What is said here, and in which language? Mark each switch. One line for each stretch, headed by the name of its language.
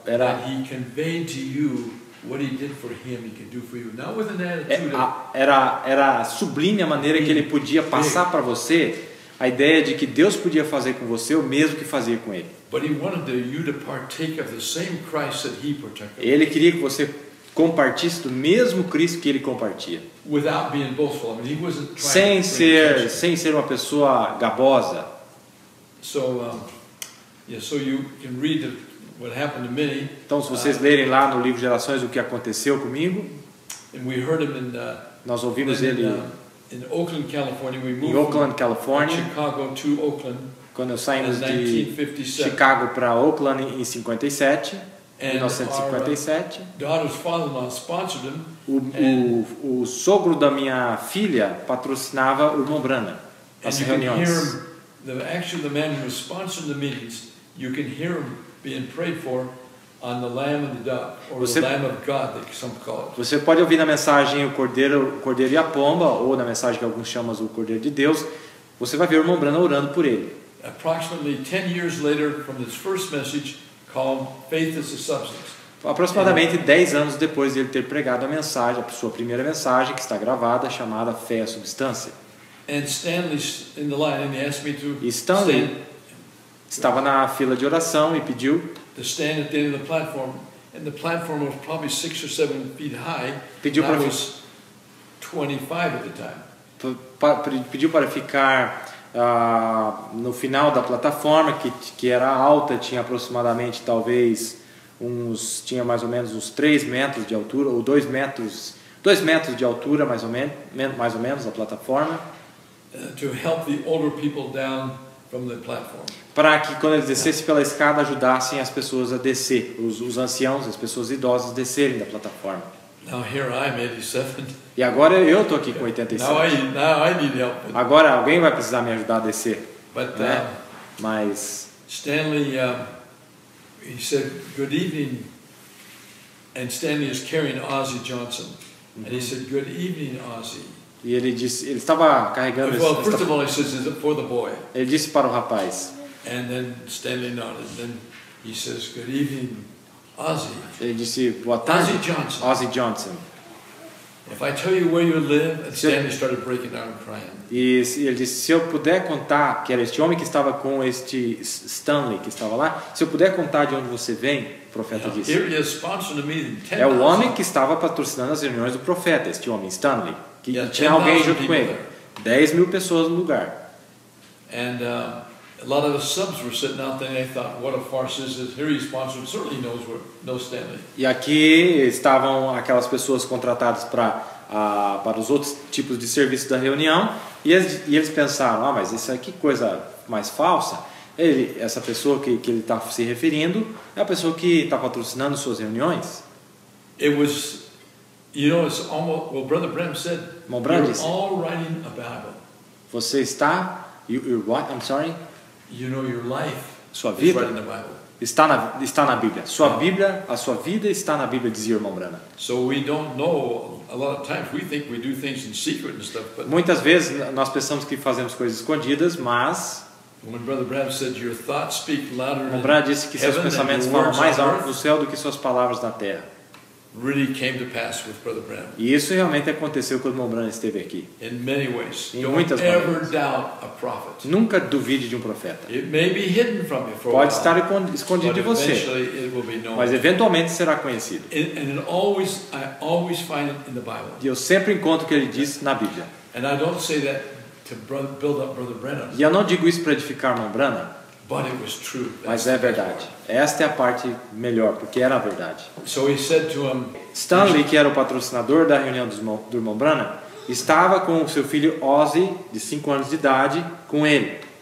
English: that he conveyed to you what he did for him, he can do for you. Not with an attitude.
Portuguese: Era sublime a maneira que ele podia passar para você a ideia de que Deus podia fazer com você o mesmo que fazia com ele.
English: But he wanted you to partake of the same Christ that he partook of.
Portuguese: Ele queria que você compartisse do mesmo Cristo que ele compartia.
English: Without being boastful. I mean, he wasn't trying
Portuguese: sem ser uma pessoa gabosa.
English: So yeah, so you can read what happened to me.
Portuguese: Então, se vocês lerem lá no livro Gerações o que aconteceu comigo,
English: and we heard him in
Portuguese: nós ouvimos ele
English: in Oakland, California. We moved
Portuguese: em Oakland, California,
English: from Chicago to Oakland.
Portuguese: Quando saímos de Chicago para Oakland em 57,
English: and
Portuguese: 1957.
English: Our daughter's father-in-law sponsored him.
Portuguese: O sogro da minha filha patrocinava o irmão Branham as reuniões.
English: Actually, the man who was sponsoring the meetings, you can hear him being prayed for on the Lamb and the Dove, or the Lamb of God, that some call it.
Portuguese: Você pode ouvir na mensagem o cordeiro e a pomba, ou na mensagem que alguns chamam o cordeiro de Deus. Você vai ver o irmão Branham orando por ele.
English: Approximately 10 years later, from this first message called "Faith is a Substance."
Portuguese: Aproximadamente 10 anos depois de ele ter pregado a mensagem, a sua primeira mensagem que está gravada, chamada "Fé é a Substância."
English: And Stanley's in the line, and he asked me to
Portuguese: Stanley estava na fila de oração e pediu
English: to stand at the end of the platform, and the platform was probably 6 or 7 feet high.
Portuguese: Pediu para
English: was 25 at the time.
Portuguese: Pediu para ficar no final da plataforma, que era alta, tinha aproximadamente talvez uns 3 metros de altura ou 2 metros 2 metros de altura, mais ou menos, a plataforma.
English: To help the older people down from the platform.
Portuguese: Para que quando eles descessem pela escada, ajudassem as pessoas a descer, os anciãos, as pessoas idosas descerem da plataforma.
English: Now here I'm 87.
Portuguese: E agora eu estou aqui com 87.
English: Now I need help.
Portuguese: Agora alguém vai precisar me ajudar a descer.
English: But,
Portuguese: né? Mas
English: Stanley, he said good evening, and Stanley is carrying Ozzy Johnson, and he said good evening, Ozzy.
Portuguese: E ele disse, ele estava carregando.
English: Well, first of all, he says for the boy.
Portuguese: Ele disse para o rapaz.
English: And then Stanley nodded. Then he says good evening, Ozzy.
Portuguese: Ele disse boa tarde.
English: Ozzy Johnson.
Portuguese: Ozzy Johnson.
English: If I tell you where you live, and Stanley started breaking down and crying.
Portuguese: E ele disse, se eu puder contar, que era este homem que estava com este Stanley que estava lá, se eu puder contar de onde você vem, o profeta disse.
English: Here he is sponsoring a meeting, 10,
Portuguese: é o homem que estava patrocinando as reuniões do profeta, este homem, Stanley, que tinha alguém junto com ele. 10 mil pessoas no lugar.
English: And a lot of the subs were sitting out there, and they thought, what a farce is this. Here he's sponsored, certainly knows where, knows Stanley.
Portuguese: E aqui estavam aquelas pessoas contratadas para os outros tipos de serviço da reunião, e eles pensaram, ah, mas isso aqui, que coisa mais falsa. Essa pessoa que ele está se referindo é a pessoa que está patrocinando suas reuniões.
English: It was, you know, it's almost, well, Brother Branham said, you're all writing a Bible.
Portuguese: Você está,
English: you're what, I'm sorry? You know, your life,
Portuguese: sua vida
English: is writing the Bible.
Portuguese: Está na Bíblia. Sua Bíblia, a sua vida está na Bíblia, dizia o irmão Branham.
English: So we don't know, a lot of times we think we do things in secret and stuff, but
Portuguese: muitas vezes nós pensamos que fazemos coisas escondidas, mas
English: when Brother Brad said your thoughts speak louder than
Portuguese: Brad disse que seus pensamentos falam mais alto no céu do que suas palavras na terra.
English: Really came to pass with Brother Brad.
Portuguese: E isso realmente aconteceu quando o irmão Branham esteve aqui.
English: In many ways.
Portuguese: Em muitas
English: don't
Portuguese: maneiras.
English: Ever doubt a prophet.
Portuguese: Nunca duvide de um profeta.
English: It may be hidden from you for
Portuguese: pode
English: a while,
Portuguese: estar escondido de você.
English: Eventually it will be known.
Portuguese: Mas eventualmente será conhecido.
English: And always, I always find it in the Bible.
Portuguese: E eu sempre encontro o que ele diz na Bíblia.
English: And I don't say that to build up Brother Branham.
Portuguese: E eu não digo isso para edificar o irmão Branham.
English: But it was true.
Portuguese: Mas é verdade. Esta é a parte melhor, porque era a verdade.
English: So he said to him,
Portuguese: Stanley, que era o patrocinador da reunião do irmão Branham, estava com o seu filho Ozzy, de 5 anos de idade, com ele.